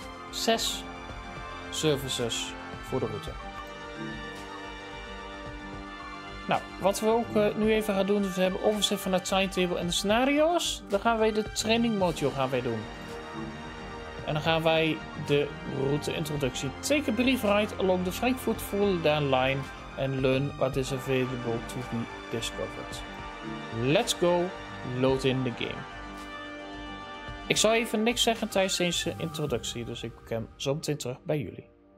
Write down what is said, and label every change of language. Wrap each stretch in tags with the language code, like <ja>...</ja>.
<nl>6 services voor de route. Nou, wat we ook nu even gaan doen, is we hebben overzicht van de timetable en de scenario's. Dan gaan wij de training module gaan wij doen. En dan gaan wij de route introductie.</nl> <en>Take a brief ride along the Frankfurt Fulda line. And learn what is available to be discovered. Let's go, load in the game.</en> <nl>Ik zal even niks zeggen tijdens deze introductie, dus ik kom zo meteen terug bij jullie.</nl>